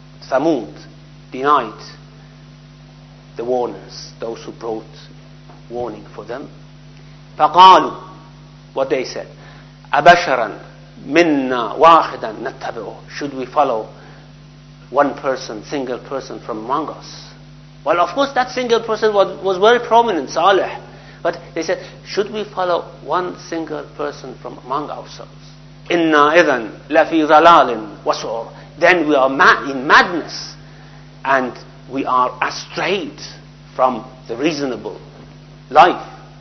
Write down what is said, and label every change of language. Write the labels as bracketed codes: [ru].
[en] ثمود denied the warners, those who brought warning for them. [ar] فقالوا, [en] what they said, [ar] أبشرا منا واحدا نتبعه. [en] Should we follow one person, single person from among us? Well, of course, that single person was very prominent, Saleh. But they said, should we follow one single person from among ourselves? [ar] Inna idhan lafi zalalin wasur. [en] Then we are mad in madness, and we are astray from the reasonable life.